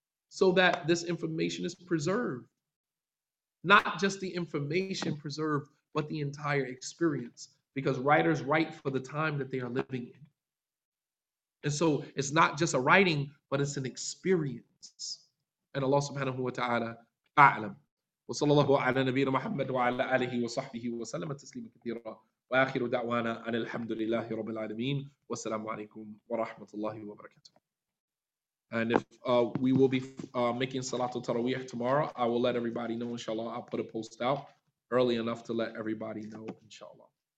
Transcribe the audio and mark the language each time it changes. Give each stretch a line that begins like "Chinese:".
English: So that this information is preserved. Not just the information preserved, but the entire experience. Because writers write for the time that they are living in. And so it's not just a writing, but it's an experience.
Arabic: أن الله سبحانه وتعالى أعلم. وصلى الله على نبينا محمد وعلى آله وصحبه وسلم تسليما كثيرا. وآخر دعوانا أن الحمد لله رب العالمين. والسلام عليكم ورحمة الله وبركاته.
English: And if we will be making Salat al-Tarawih tomorrow, I will let everybody know, inshallah. I'll put a post out early enough to let everybody know, inshallah.